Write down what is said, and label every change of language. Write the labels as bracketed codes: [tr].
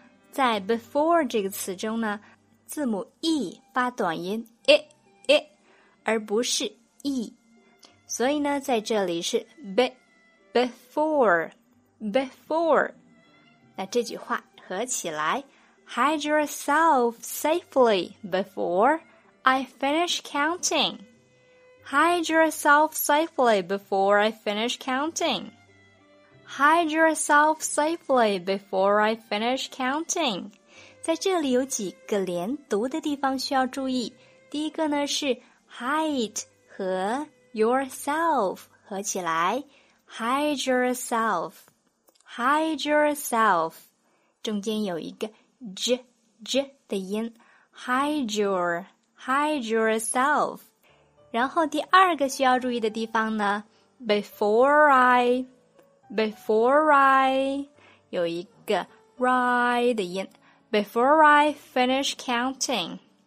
[zh] 在 before 这个词中呢，字母 e 发短音 e， 而不是 e， 所以呢，在这里是 before， 那这句话合起来。 [en] Hide yourself safely before I finish counting. Hide yourself safely before I finish counting. Hide yourself safely before I finish counting. [zh] 在这里有几个连读的地方需要注意。第一个呢是 hide 和 yourself 合起来。 [en] Hide yourself. Hide yourself. [zh] 中间有一个j 的音 [en] hide yourself [zh] 然后第二个需要注意的地方呢 before I 有一个 ri 的音 [en] before I finish counting